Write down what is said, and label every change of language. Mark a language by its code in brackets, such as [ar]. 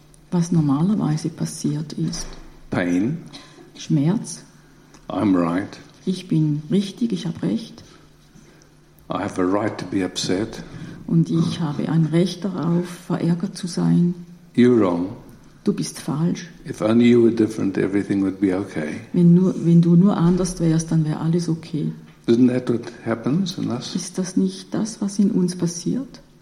[de] was normalerweise passiert ist. [en] Pain. [de] Schmerz. [en] I'm right. [de] Ich bin richtig, ich habe recht. [en] I have a right to be upset. [de] Und ich habe ein Recht darauf, verärgert zu sein. [en] You're wrong. [de] Du bist falsch. [en] If only you were different, everything would be okay. [de] Wenn du nur anders wärst, dann wäre alles okay. [en] Isn't that what happens in us? [de] Ist das nicht das, was in uns passiert?